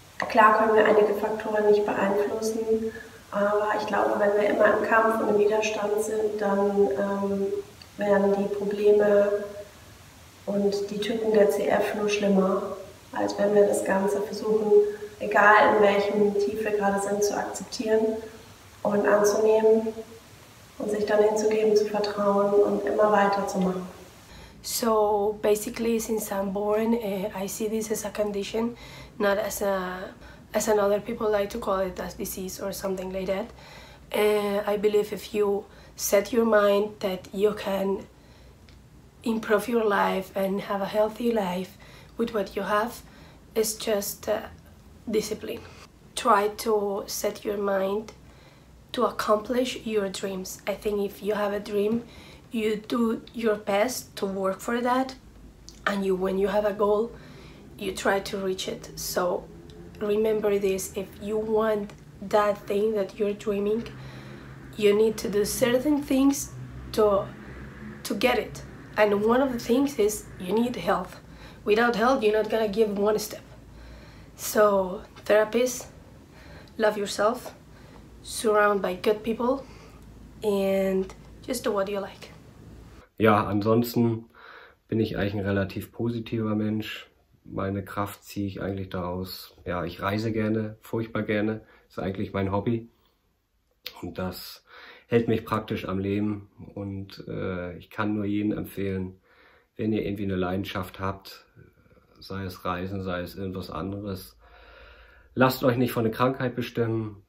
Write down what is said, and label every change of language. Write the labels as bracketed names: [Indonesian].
[German] Klar können wir einige Faktoren nicht beeinflussen, aber ich glaube, wenn wir immer im Kampf und im Widerstand sind, dann werden die Probleme und die Tücken der CF nur schlimmer, als wenn wir das Ganze versuchen, egal in welchem Tief wir gerade sind, zu akzeptieren und anzunehmen und sich dann hinzugeben, zu vertrauen und immer weiterzumachen. [English] So basically, since I'm born, I see this as a condition, not as another people like to call it as disease or something like that. I believe if you set your mind that you can improve your life and have a healthy life with what you have, it's just discipline. Try to set your mind to accomplish your dreams. I think if you have a dream, you do your best to work for that, and you, when you have a goal, you try to reach it. So remember this, if you want that thing that you're dreaming, you need to do certain things to get it. And one of the things is you need health. Without health, you're not gonna give one step. So therapist, love yourself, surround by good people, and just do what you like. [German] Ja, ansonsten bin ich eigentlich ein relativ positiver Mensch. Meine Kraft ziehe ich eigentlich daraus. Ja, ich reise gerne, furchtbar gerne. Ist eigentlich mein Hobby. Und das hält mich praktisch am Leben. Und ich kann nur jedem empfehlen, wenn ihr irgendwie eine Leidenschaft habt, sei es Reisen, sei es irgendwas anderes, lasst euch nicht von der Krankheit bestimmen.